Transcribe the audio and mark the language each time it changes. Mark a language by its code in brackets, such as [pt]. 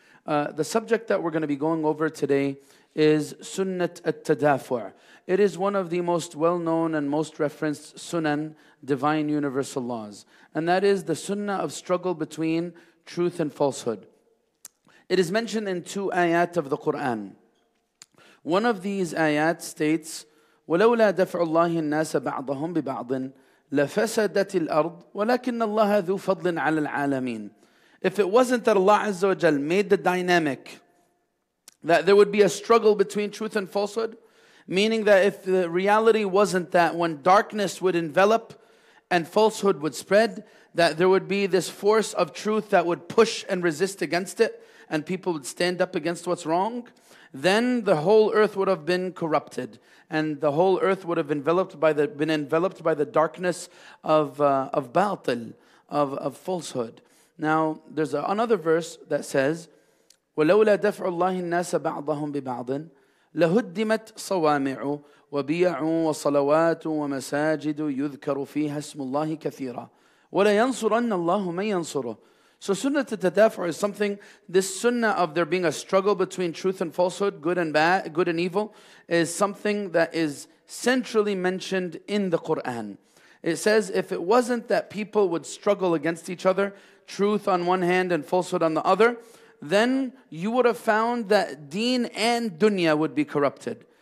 [en] The subject that we're going to be going over today is Sunnat at-Tadafu'. It is one of the most well-known and most referenced sunan, divine universal laws. And that is the sunnah of struggle between truth and falsehood. It is mentioned in two ayat of the Qur'an. One of these ayat states, [ar] وَلَوْلَا دَفْعُ اللَّهِ النَّاسَ بَعْضَهُمْ بِبَعْضٍ لَفَسَدَتِ الْأَرْضِ وَلَكِنَّ اللَّهَ ذُو فَضْلٍ عَلَى الْعَالَمِينَ. [en] If it wasn't that Allah Azza wa Jal made the dynamic that there would be a struggle between truth and falsehood, meaning that if the reality wasn't that when darkness would envelop and falsehood would spread, that there would be this force of truth that would push and resist against it, and people would stand up against what's wrong, then the whole earth would have been corrupted, and the whole earth would have been enveloped by the darkness of batil, of falsehood. Now, there's another verse that says, [ar] وَلَوْلَا دَفْعُ اللَّهِ النَّاسَ بَعْضَهُمْ بِبَعْضٍ لَهُدِّمَتْ صَوَامِعُ وَبِيَعُ وَصَلَوَاتُ وَمَسَاجِدُ يُذْكَرُ فِيهَا اسْمُ اللَّهِ كَثِيرًا وَلَيَنْصُرَنَّ اللَّهُ مَنْ يَنْصُرُهُ. [en] So sunnah tadafu is something, this sunnah of there being a struggle between truth and falsehood, good and bad, good and evil, is something that is centrally mentioned in the Qur'an. It says, if it wasn't that people would struggle against each other, truth on one hand and falsehood on the other, then you would have found that deen and dunya would be corrupted.